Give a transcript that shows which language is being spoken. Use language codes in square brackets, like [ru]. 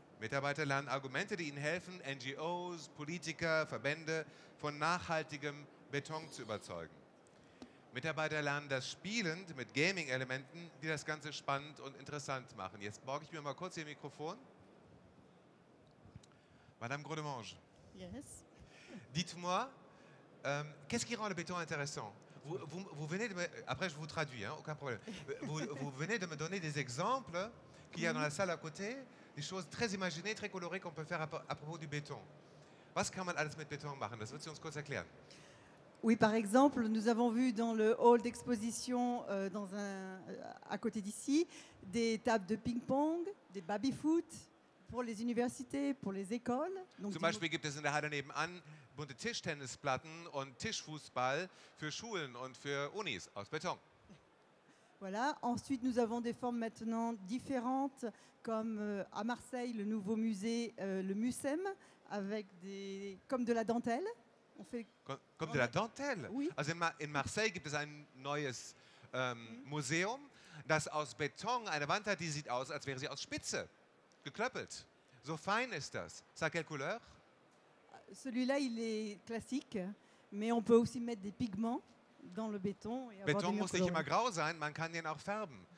[de] Mitarbeiter lernen Argumente, die ihnen helfen, NGOs, Politiker, Verbände von nachhaltigem Beton zu überzeugen. Mitarbeiter lernen das spielend mit Gaming-Elementen, die das Ganze spannend und interessant machen. Jetzt borge ich mir mal kurz Ihr Mikrofon. [fr] Madame Grodemange. [en] Yes. [fr] Dites-moi, qu'est-ce qui rend le béton intéressant? Vous venez de me, après, je vous traduis, hein, aucun problème. Vous venez de me donner des exemples qu'il y a dans la salle à côté, des choses très imaginées, très colorées qu'on peut faire à propos du béton. [de] Was kann man alles mit Beton machen? Das würdest du uns kurz erklären. [fr] Oui, par exemple, nous avons vu dans le hall d'exposition à côté d'ici des tables de ping-pong, des baby-foot pour les universités, pour les écoles. Donc [de] zum Beispiel gibt es in der Halle nebenan bunte Tischtennisplatten und Tischfußball für Schulen und für Unis aus Beton. [fr] Voilà. Ensuite, nous avons des formes maintenant différentes, comme à Marseille, le nouveau musée, le MUSEM, avec comme de la dentelle. On fait comme de la dentelle. Oui. [de] Also in Marseille gibt es ein neues Museum, das aus Beton eine Wand hat, die sieht aus, als wäre sie aus Spitze geklöppelt. So fein ist das. Sag, [fr] quelle couleur? Celui-là, il est classique, mais on peut aussi mettre des pigments dans le béton. Et [de] Beton [fr] avoir des [de] muss nicht immer grau sein, man kann den auch färben.